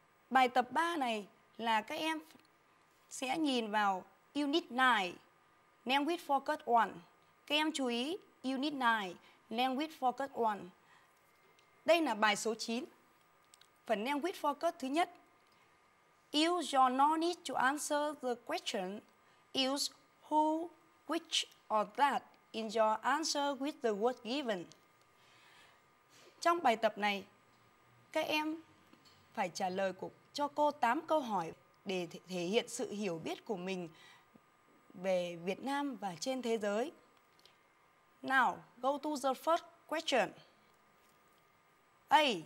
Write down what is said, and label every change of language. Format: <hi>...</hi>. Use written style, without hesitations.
<vi>Bài tập 3 này là các em sẽ nhìn vào Unit 9, Language Focus 1. Các em chú ý, Unit 9, Language Focus 1. Đây là bài số 9, phần Language Focus thứ nhất.</vi> <en>Use your knowledge to answer the question. Use who, which, or that in your answer with the word given.</en> <vi>Trong bài tập này, các em phải trả lời cho cô 8 câu hỏi để thể hiện sự hiểu biết của mình về Việt Nam và trên thế giới.</vi> <en>Now, go to the first question. A.</en>